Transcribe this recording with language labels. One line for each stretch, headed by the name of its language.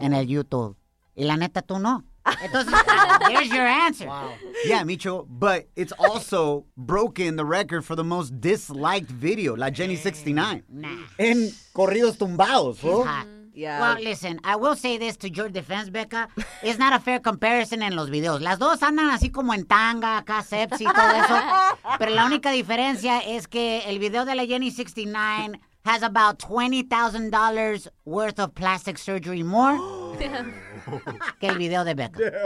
Spanish: En el YouTube. Y la neta, tú no.
English: Entonces, there's your answer. Wow. Yeah, Micho, but it's also broken the record for the most disliked video, La Jenny 69. Nah.
Spanish: En corridos tumbados, bro.
English: She's hot. Yeah. Well, listen, I will say this to your defense, Becca. It's not a fair comparison
Spanish: en los videos. Las dos andan así como en tanga, acá, sepsi, todo eso. Pero la única diferencia es que el video de la Jenny 69
English: has about $20,000 worth of plastic surgery more
Spanish: que el video de Becca.